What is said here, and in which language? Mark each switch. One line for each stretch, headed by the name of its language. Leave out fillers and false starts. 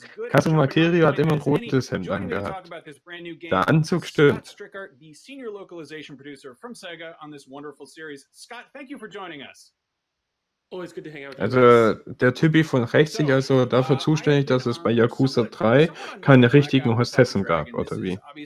German: Kazuma Kiryu hat immer ein rotes Hemd angehabt. Der Anzug stimmt.
English: Scott Senior Localization Producer from Sega on this wonderful series. Scott, thank you for joining us.
German: Also, der Typi von rechts ist also dafür zuständig, dass es bei Yakuza 3 keine richtigen Hostessen gab, oder wie?